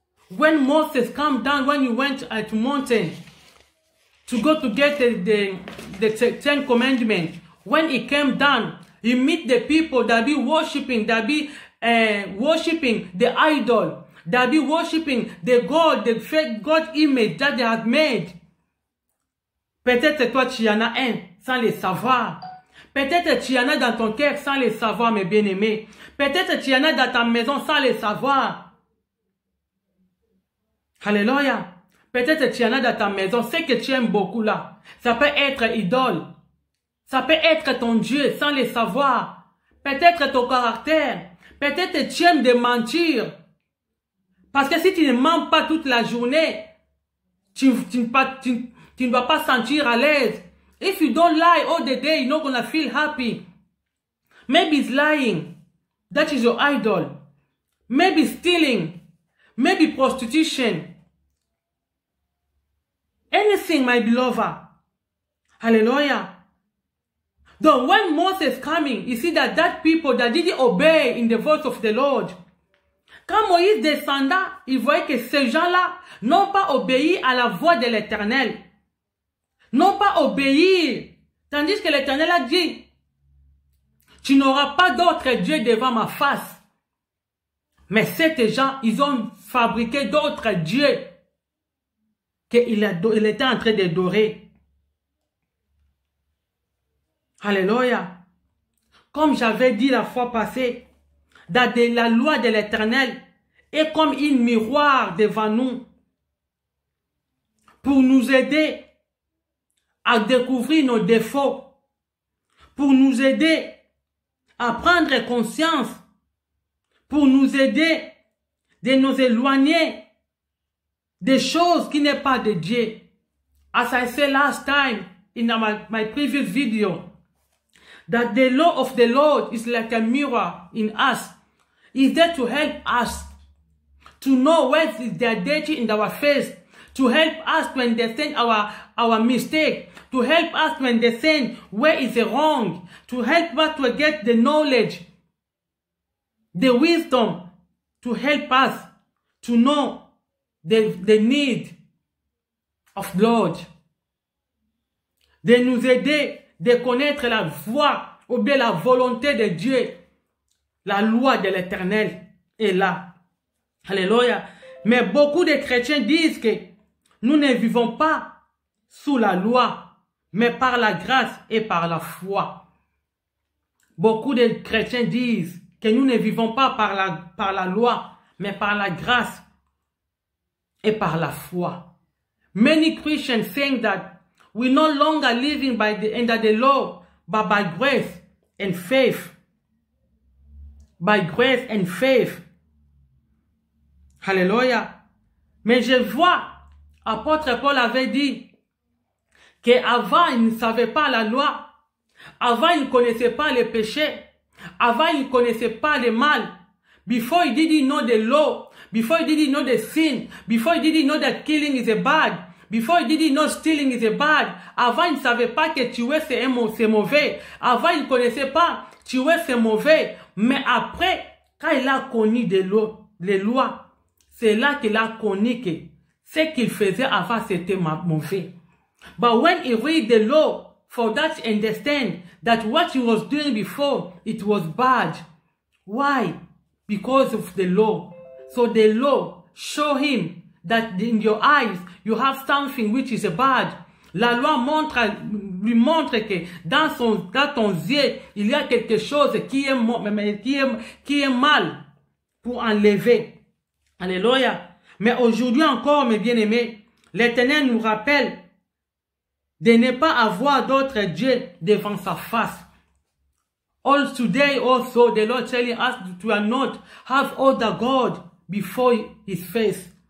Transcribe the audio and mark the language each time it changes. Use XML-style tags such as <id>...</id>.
<en>When Moses came down, when he went at the mountain to go to get the Ten Commandments, when he came down, he met the people that be worshiping, worshiping the idol, that be worshiping the God, the fake God image that they had made.</en> <fr>Peut-être toi tu y en as un sans le savoir. Peut-être tu y en as dans ton cœur sans le savoir, mes bien-aimés. Peut-être tu y en as dans ta maison sans le savoir. Alléluia. Peut-être tu y en as dans ta maison, ce que tu aimes beaucoup là. Ça peut être idole. Ça peut être ton Dieu sans le savoir. Peut-être ton caractère. Peut-être tu aimes de mentir. Parce que si tu ne mens pas toute la journée, tu ne vas pas sentir à l'aise.</fr> <en>If you don't lie all the day, you're not gonna feel happy. Maybe it's lying. That is your idol. Maybe stealing. Maybe prostitution. Anything, my beloved. Hallelujah. Though when Moses coming, you see that people that didn't obey in the voice of the Lord.</en> <fr>Quand Moïse descendait, il voyait que ces gens-là n'ont pas obéi à la voix de l'Éternel. N'ont pas obéi. Tandis que l'Éternel a dit, tu n'auras pas d'autre Dieu devant ma face. Mais ces gens, ils ont fabriqué d'autres dieux qu'il était en train d'adorer. Alléluia. Comme j'avais dit la fois passée, dans la loi de l'Éternel est comme un miroir devant nous pour nous aider à découvrir nos défauts, pour nous aider à prendre conscience, pour nous aider de nous éloigner des choses qui n'est pas de Dieu. As I said last time in my previous video, that the law of the Lord is like a mirror in us. It's there to help us to know where is the deity in our face, to help us to understand our mistake, to help us to understand where is the wrong, to help us to get the knowledge, the wisdom to help us to know the need of God. De nous aider de connaître la voie ou bien la volonté de Dieu. La loi de l'Éternel est là. Alléluia. Mais beaucoup de chrétiens disent que nous ne vivons pas sous la loi, mais par la grâce et par la foi. Beaucoup de chrétiens disent que nous ne vivons pas par la loi, mais par la grâce et par la foi.</fr> <en>Many Christians saying that we no longer living by the under the law, but by grace and faith. By grace and faith. Hallelujah.</en> <fr>Mais je vois, apôtre Paul avait dit que avant il ne savait pas la loi, avant il ne connaissait pas les péchés. Avant, il ne connaissait pas le mal.</fr> <en>Before, he didn't know the law. Before, he didn't know the sin. Before, he didn't know that killing is a bad. Before, he didn't know stealing is a bad.</en> <fr>Avant, il ne savait pas que tuer, c'est mauvais. Avant, il ne connaissait pas tuer, c'est mauvais. Mais après, quand il a connu les lois, c'est là qu'il a connu que ce qu'il faisait avant, c'était mauvais.</fr> <en>But when he read the law, for that to understand that what he was doing before, it was bad. Why? Because of the law. So the law show him that in your eyes, you have something which is bad.</en> <fr>La loi lui montre que dans ton yeux, il y a quelque chose qui est mal pour enlever. Alléluia. Mais aujourd'hui encore, mes bien-aimés, l'Éternel nous rappelle de ne pas avoir d'autres dieux devant sa face.</fr> <en>All today also, the Lord telling us to not have other God before his face.</en>